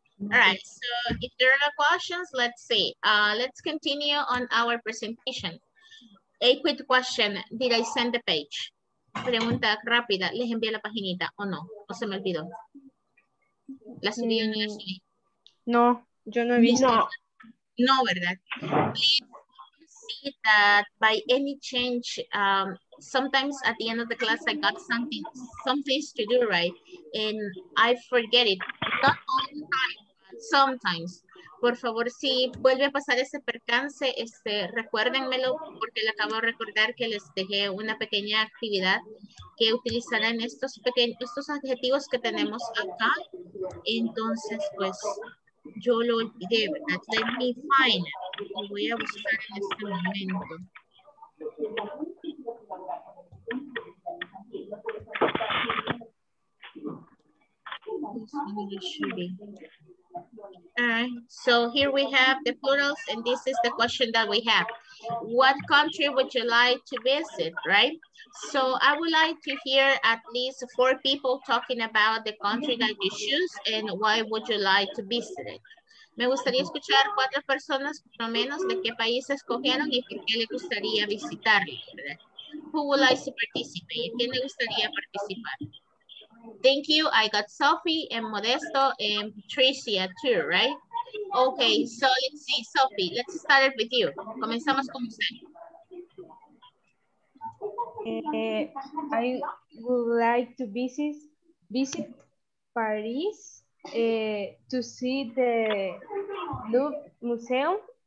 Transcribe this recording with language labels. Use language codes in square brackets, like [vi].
[en] All right, so if there are no questions, let's see. Let's continue on our presentation. A quick question, did I send the page? [es] Pregunta rápida, ¿les envié la paginita o no? ¿O se me olvidó? ¿La subí o no la subí? No, yo no he visto. No, no, ¿verdad? [en] Please see that by any change, sometimes at the end of the class I got some things to do, right? And I forget it, not all the time, but sometimes. [es] Por favor, si vuelve a pasar ese percance, recuérdenmelo, porque le acabo de recordar que les dejé una pequeña actividad que utilizarán estos pequeños, estos adjetivos que tenemos acá. Entonces, pues, yo lo olvidé, ¿verdad? [en] Let me find it. [es] Lo voy a buscar en este momento. Okay. [en] So here we have the plurals, and this is the question that we have. What country would you like to visit, right? So I would like to hear at least four people talking about the country that you choose and why would you like to visit it. [es] Me gustaría escuchar cuatro personas, por lo menos, de qué país escogieron y por qué le gustaría visitarlo, ¿verdad? [en] Who would like to participate? [es] ¿Quién le gustaría participar? [en] Thank you. I got Sophie and Modesto and Patricia too, right? Okay, so let's see, Sophie, let's start it with you. [es] Comenzamos con usted. [en] I would like to visit Paris to see the Louvre Museum.